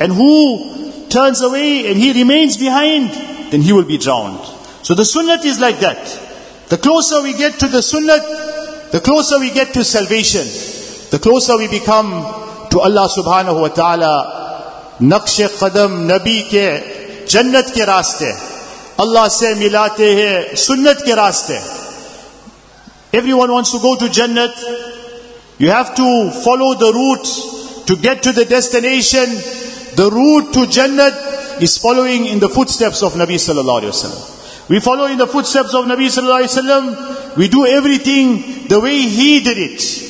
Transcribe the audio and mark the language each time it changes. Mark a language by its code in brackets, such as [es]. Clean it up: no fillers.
[en] And who turns away and he remains behind, then he will be drowned. So the sunnah is like that. The closer we get to the sunnah, the closer we get to salvation, the closer we become to Allah subhanahu wa ta'ala. [ur] نَقْشِ قَدَمْ نَبِي كَ جَنَّتْ كَ رَاسْتَ. Allah سے ملاتے ہیں سنت کے راستے. [en] Everyone wants to go to Jannah. You have to follow the route to get to the destination. The route to Jannah is following in the footsteps of Nabi sallallahu alaihi wasallam. We follow in the footsteps of Nabi sallallahu alaihi wasallam. We do everything the way he did it.